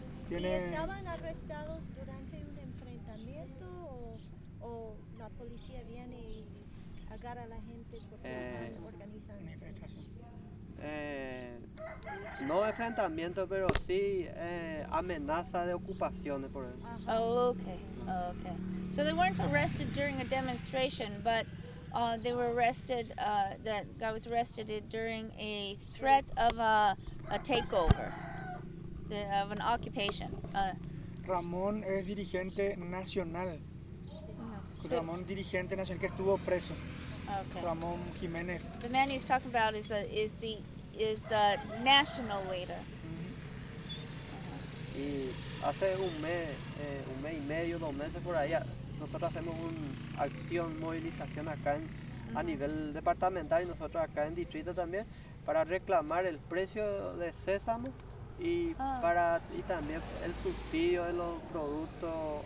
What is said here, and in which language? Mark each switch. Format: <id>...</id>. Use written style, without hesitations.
<es>¿Estaban arrestados durante un enfrentamiento o la policía viene y agarra a la gente porque están organizándose? No enfrentamiento, pero sí amenaza de ocupaciones, por ejemplo.</es> <en>Okay. So they weren't arrested during a demonstration, but they were arrested, that guy was arrested during a threat of a takeover. Of an occupation.</en> <es>Ramón es dirigente nacional.</es> <en>Okay.</en> <es>Ramón dirigente nacional que estuvo preso.</es> <en>Okay.</en> <es>Ramón Jiménez.</es> <en>The man he's talking about is the national leader.</en> <es>Y hace un mes y medio, 2 meses por ahí, nosotros hacemos una acción, movilización acá a nivel departamental y nosotros acá en distrito también para reclamar el precio de sésamo. Y para y también el subsidio de los productos</es>